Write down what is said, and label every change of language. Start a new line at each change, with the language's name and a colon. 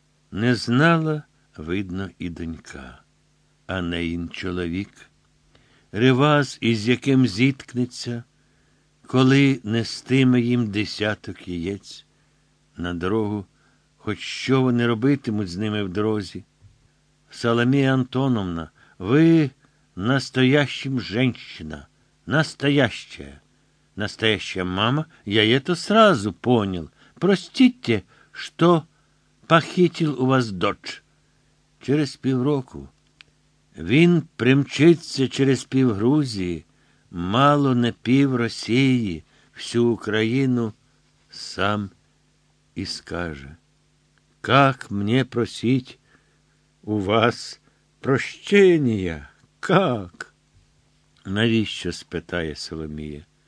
Ukrainian: Не знала, видно, і донька, а не ін чоловік. Ревас, із яким зіткнеться, коли нестиме їм десяток яєць на дорогу, хоч що вони робитимуть з ними в дорозі?
Russian: Соломія Антоновна, ви настоящим женщина, настоящая мама, я это сразу понял. Простите, что похитил у вас дочь.
Ukrainian: Через півроку він примчиться через пів Грузії, мало не пів Росії, всю Україну, сам і скаже:
Russian: «Как мне просить у вас прощения? Как?»
Ukrainian: «Навіщо?» – спитає Соломія.